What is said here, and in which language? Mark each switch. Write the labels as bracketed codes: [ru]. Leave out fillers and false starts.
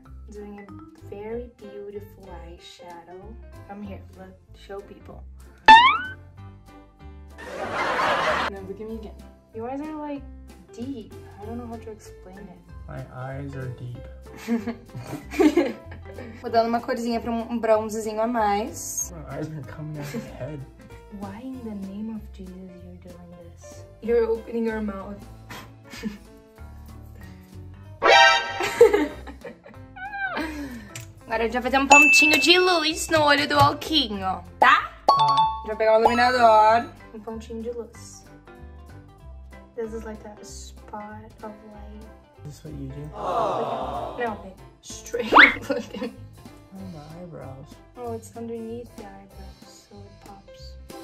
[en] Doing a very beautiful eyeshadow. Come here. Let's show people. Now look at me again. Your eyes are like... Deep. I don't know how to explain it. My eyes are deep. [pt] Vou dando uma corzinha pra um bronzezinho a mais. [en] My eyes are coming out of my head. Why in the name of Jesus you're doing this? You're opening your mouth. [pt] Agora a gente vai fazer um pontinho de luz no olho do Alquinho, tá? Já vou pegar o iluminador. Um pontinho de luz. [en] This is like that spot of light. Is this what you do? No, babe. Straight looking. Oh, my eyebrows. Oh, it's underneath the eyebrows, so it pops.